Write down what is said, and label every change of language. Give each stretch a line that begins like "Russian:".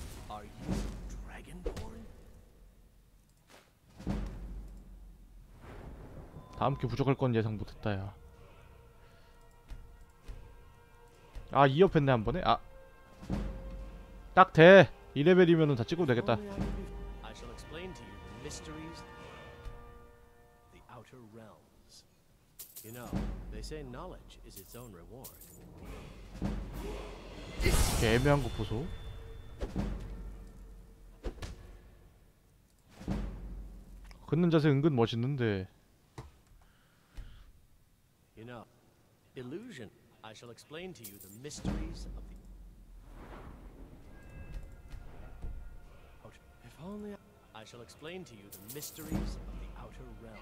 English: Are you dragonborn?
Korean: 다음 기회 부족할 건 예상 못했다, 야. 아, 이 옆에 있네 한 번에. 아. 딱 돼. 이 레벨이면은 다 찍고 되겠다.
English: I shall explain to you the mysteries the outer realms. You know, they say knowledge is its own reward.
Korean: 이렇게 애매한 거 보소. 걷는 자세 은근 멋있는데.
English: You know, illusion. I shall explain to you the mysteries of the. If only I shall explain to you the mysteries of the outer realm.